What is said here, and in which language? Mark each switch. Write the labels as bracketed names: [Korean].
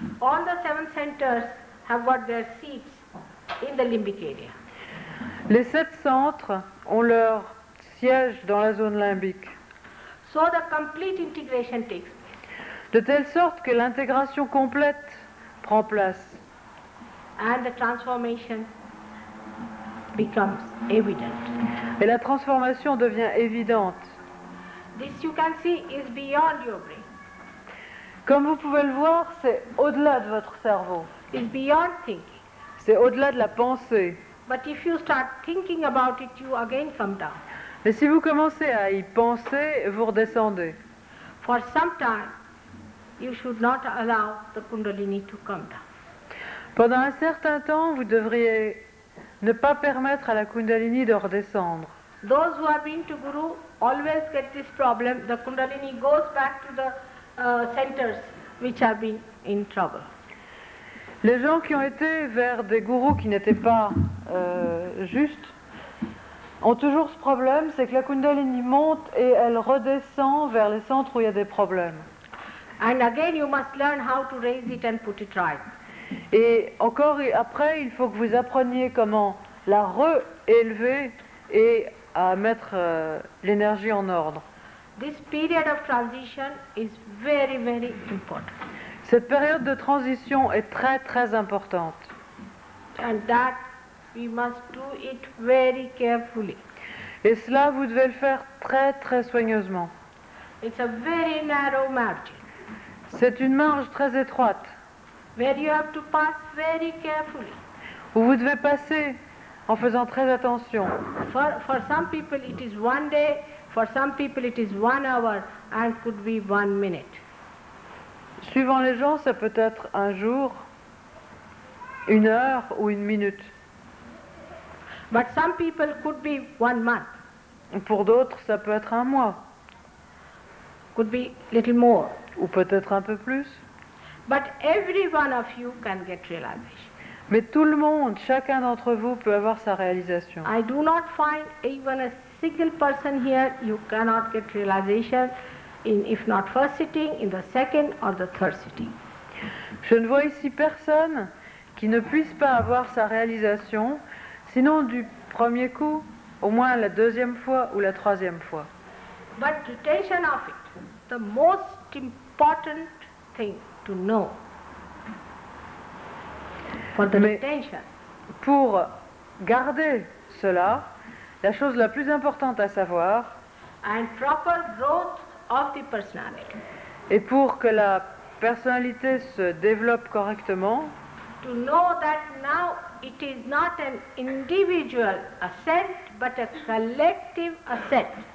[English] All the seven centers have got their seats in the limbic area. [French] Les sept centres ont leur siège dans la zone limbique. [English] So the complete integration takes place. [French] De telle sorte que l'intégration complète prend place. [English] And the transformation becomes evident. [French] Et la transformation devient évidente. [English] This you can see is beyond your brain. [French] Comme vous pouvez le voir, c'est au-delà de votre cerveau. [English] It's beyond thinking. [French] C'est au-delà de la pensée. [English] But if you start thinking about it, you again come down. [French] Mais si vous commencez à y penser, vous redescendez. [English] For some time, you should not allow the Kundalini to come down. [French] Pendant un certain temps, vous devriez ne pas permettre à la Kundalini de redescendre. [English] Those who have been to Guru always get this problem. The Kundalini goes back to the centers which have been in trouble. [French] Les gens qui ont été vers des gurus qui n'étaient pas justes ont toujours ce problème, c'est que la Kundalini monte et elle redescend vers les centres où il y a des problèmes. [English] And again, you must learn how to raise it and put it right. [French] Et encore et après, il faut que vous appreniez comment la re-élever et à mettre l'énergie en ordre. [English] This period of transition is very, very important. [French] Cette période de transition est très, très importante. [English] And that we must do it very carefully. [French] Et cela, vous devez le faire très, très soigneusement. [English] It's a very narrow margin. [French] C'est une marge très étroite. [English] Where you have to pass very carefully. [French] où vous devez passer en faisant très attention. [English] For some people it is one day, for some people it is one hour, and could be one minute. [French] Suivant les gens, ça peut être un jour, une heure ou une minute. [English] But some people could be one month. [French] Pour d'autres, ça peut être un mois. [English] Could be little more. [French] Ou peut-être un peu plus. [English] But every one of you can get realization. [French] Mais tout le monde, chacun d'entre vous peut avoir sa réalisation. [English] I do not find even a single person here you cannot get realization in if not first sitting, in the second or the third sitting. [French] Je ne vois ici personne qui ne puisse pas avoir sa réalisation, sinon du premier coup, au moins la deuxième fois ou la troisième fois. [English] But retention of it, the most important thing to know. For the retention. [French] Pour garder cela, la chose la plus importante à savoir. [English] And proper growth of the personality. [French] Et pour que la personnalité se développe correctement. [English] To know that now it is not an individual asset, but a collective asset.